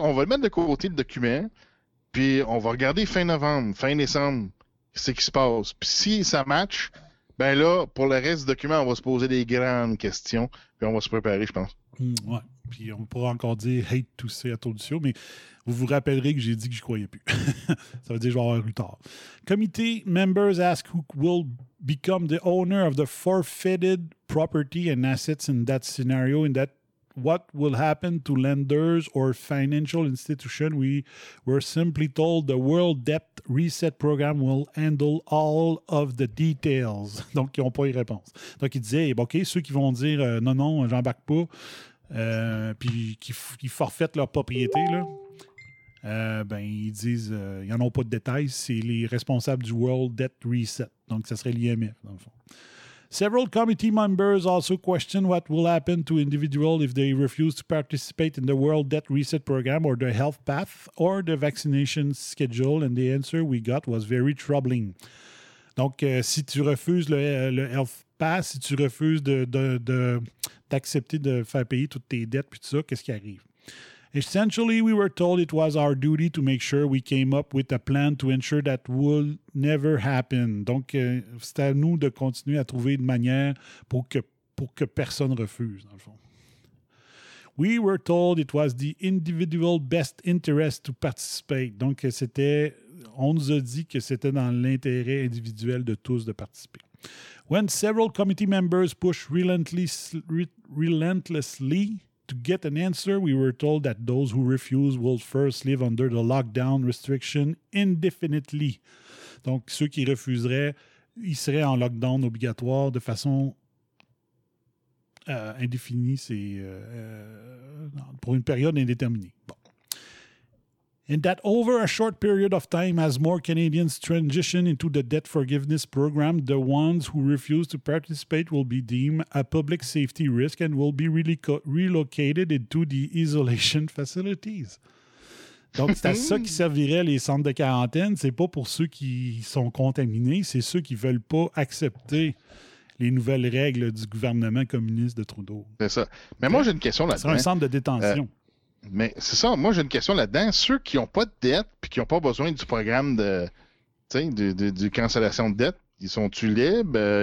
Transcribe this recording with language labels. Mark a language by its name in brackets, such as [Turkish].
[French] On va le mettre de côté, le document. Puis on va regarder fin novembre, fin décembre, ce qui se passe. Puis si ça match, ben là, pour le reste du document, on va se poser des grandes questions. Puis on va se préparer, je pense. Ouais. puis on pourra encore dire « [English] hate to say [French] » à tour du show, mais vous vous rappellerez que j'ai dit que je croyais plus. Ça veut dire que je vais avoir eu tard. [English] Comité members ask who will become the owner of the forfeited property and assets in that scenario, in that what will happen to lenders or financial institutions. We were simply told the World Debt Reset Program will handle all of the details. [French] Donc, ils n'ont pas eu réponse. Donc, ils disaient, OK, ceux qui vont dire non, non, j'embarque pas, puis qui forfaitent leur propriété, là, ben, ils disent, ils n'en ont pas de détails, c'est les responsables du World Debt Reset. Donc, ça serait l'IMF, dans le fond. [English] Several committee members also question what will happen to individuals if they refuse to participate in the World Debt Reset Program or the Health Path or the vaccination schedule, and the answer we got was very troubling. [French] Donc, si tu refuses le Health Path, si tu refuses de d'accepter de faire payer toutes tes dettes puis tout ça, qu'est-ce qui arrive? [English] Essentially, we were told it was our duty to make sure we came up with a plan to ensure that will never happen. [French] Donc, c'est à nous de continuer à trouver une manière pour que personne refuse, dans le fond. [English] We were told it was the individual best interest to participate. [French] Donc, on nous a dit que c'était dans l'intérêt individuel de tous de participer. [English] When several committee members pushed relentlessly to get an answer, we were told that those who refuse will first live under the lockdown restriction indefinitely. [French] Donc, ceux qui refuseraient, ils seraient en lockdown obligatoire de façon indéfinie, c'est pour une période indéterminée. Bon. [English] And that over a short period of time, as more Canadians transition into the debt forgiveness program, the ones who refuse to participate will be deemed a public safety risk and will be relocated into the isolation facilities. [French] Donc, c'est à ça qui serviraient les centres de quarantaine. C'est pas pour ceux qui sont contaminés, c'est ceux qui veulent pas accepter les nouvelles règles du gouvernement communiste de Trudeau. C'est ça. Mais moi, j'ai une question là-dedans. C'est un centre de détention. Mais c'est ça, moi j'ai une question là-dedans. Ceux qui n'ont pas de dette et qui n'ont pas besoin du programme de, tu sais, de cancellation de dette, ils sont-tu libres?